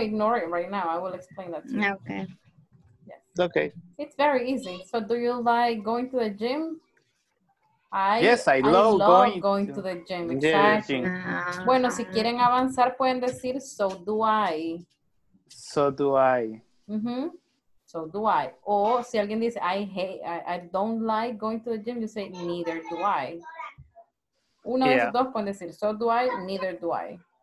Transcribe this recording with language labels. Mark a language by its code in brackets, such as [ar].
[en] Ignore it right now. I will explain that to you. Ok. Yes. Ok. It's very easy. So, do you like going to the gym? I love going to the gym. Exactly. Yeah. [es] Bueno, si quieren avanzar, pueden decir, [en] so do I. So do I. Mm-hmm. So do I. [es] O si alguien dice, [en] I don't like going to the gym, you say, neither do I. [es] Uno de esos dos pueden decir, [en] so do I, neither do I.